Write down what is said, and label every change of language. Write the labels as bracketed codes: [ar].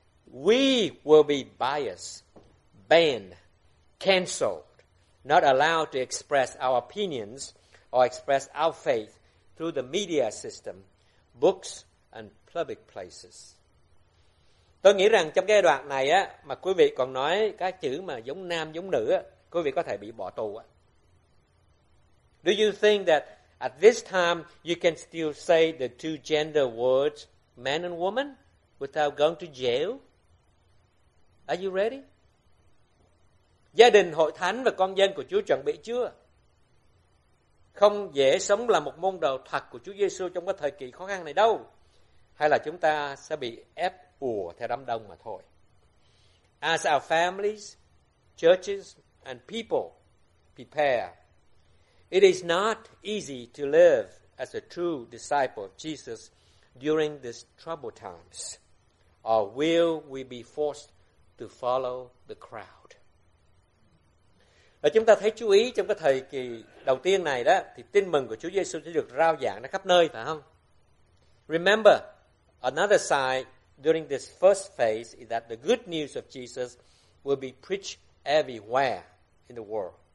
[en] We will be biased, banned, canceled, not allowed to express our opinions or express our faith through the media system, books and public places. [vi] Tôi nghĩ rằng trong cái đoạn này á, mà quý vị còn nói cái chữ mà giống nam giống nữ á, quý vị có thể bị bỏ tù á. [en] Do you think that at this time you can still say the two gender words, man and woman, without going to jail? Are you ready? [vi] Gia đình, hội thánh và con dân của Chúa chuẩn bị chưa? Không dễ sống là một môn đồ thật của Chúa Giêsu trong cái thời kỳ khó khăn này đâu. Hay là chúng ta sẽ bị ép ùa theo đám đông mà thôi. [en] As our families, churches and people prepare, it is not easy to live as a true disciple of Jesus during these troubled times. Or will we be forced to follow the crowd? [vi] Và chúng ta thấy chú ý trong cái thời kỳ đầu tiên này đó, thì tin mừng của Chúa Giêsu sẽ được rao giảng ra khắp nơi, phải không? [en] Remember, another side during this first phase is that the good news of Jesus will be preached everywhere in the world.